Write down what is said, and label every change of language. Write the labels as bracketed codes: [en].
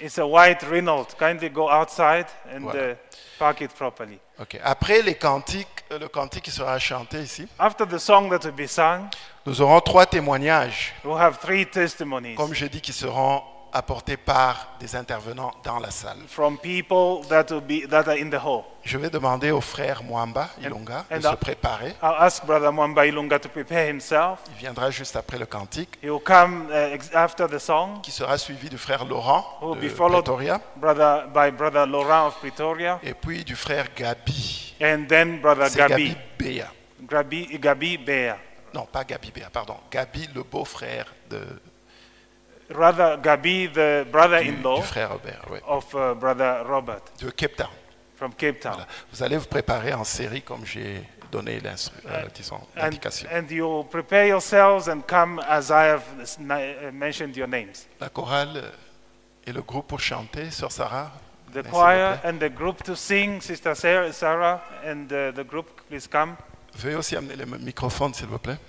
[en] It's a white Renault. Kindly go outside and voilà. Park it properly. Ok. [fr] Après les cantiques, le cantique qui sera chanté ici. [en] After the song that will be sung, [fr] nous aurons trois témoignages. [en] We have three testimonies. [fr] Comme je dis, qui seront apportés par des intervenants dans la salle. [en] From people that will be that are in the hall. [fr] Je vais demander au frère Mwamba Ilunga de se préparer. [en] I'll ask brother Mwamba Ilunga to prepare himself. [fr] Il viendra juste après le cantique. [en] He will come after the song. [fr] Qui sera suivi du frère Laurent [en] who [fr] de [en] will be followed [fr] Pretoria. [en] Brother by brother Laurent of Pretoria. [fr] Et puis du frère Gabi. [en] And then brother [fr] c'est [en] Gabi. Bea. Gabi Bea. [fr] Non, pas Gabi Bea, pardon. Gabi le beau-frère de [en] Brother Gabi, the brother-in-law [fr] du frère Robert, oui. [en] Of brother Robert. [fr] De Cape Town. [en] from Cape Town. Voilà. [fr] Vous allez vous préparer en série comme j'ai donné l'indication. [en] And you prepare yourselves and come as I have mentioned your names. [fr] La chorale et le groupe pour chanter, Sœur Sarah. [en] The choir and the group to sing, Sister Sarah, and the group, please come. [fr] Veuillez aussi amener les microphones, s'il vous plaît.